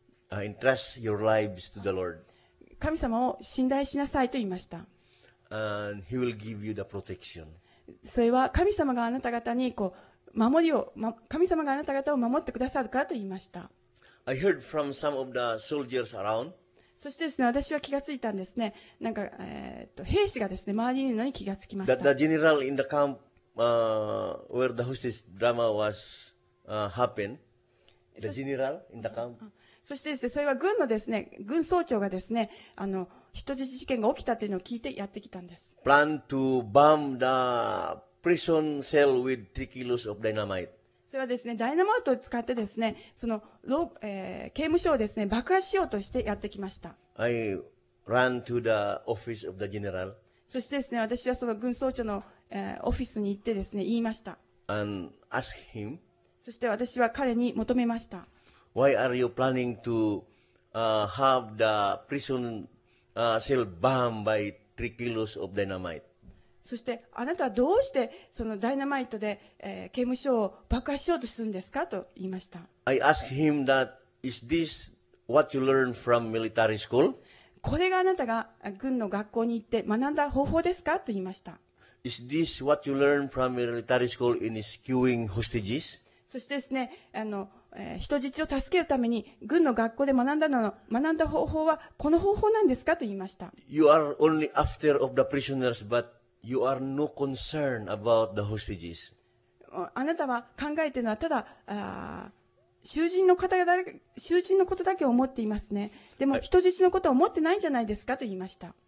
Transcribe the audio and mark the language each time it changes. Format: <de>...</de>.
<en>Entrust your lives to the Lord.</en> <ja>神様を信頼しなさいと言いました。</ja> <en>And he will give you the protection.</en> <ja>それは神様があなた方にこう守りを、神様があなた方を守ってくださるからと言いました。</ja> <en>I heard from some of the soldiers around.</en> <ja>そしてですね、私は気がついたんですね。なんか、兵士がですね、周りにいるのに気がつきました。</ja> <en>The general in the camp, where the hostage drama was, happened. The general in the camp.</en> <ja>そしてですね、それは軍のですね、軍総長がですね、あの人質事件が起きたというのを聞いてやってきたんです。</ja> <en>Plan to bomb the prison cell with 3 kilos of dynamite。</en> <ja>それはですね、ダイナマイトを使ってですね、その、刑務所をですね、爆破しようとしてやってきました。</ja> <en>I ran to the office of the general。</en> <ja>そしてですね、私はその軍総長の、オフィスに行ってですね、言いました。</ja> <en>And ask him。</en> <ja>そして私は彼に求めました。</ja> <en>Why are you planning to have the prison cell bombed by 3 kilos of dynamite?</en> <ja>そしてあなたはどうしてそのダイナマイトで、刑務所を爆破しようとするんですかと言いました。</ja> <en>I asked him that is this what you learn from military school?</en> <ja>これがあなたが軍の学校に行って学んだ方法ですかと言いました。</ja> <en>Is this what you learn from military school in rescuing hostages?</en> <ja>そしてですね、あの人質を助けるために軍の学校で学んだのの学んだ方法はこの方法なんですかと言いました。</ja> <en>You are only after of the prisoners, but you are no concern about the hostages.</en> <ja>あなたは考えているのはただ囚人のことだけを思っていますね。でも人質のことを思ってないんじゃないですかと言いました。</ja>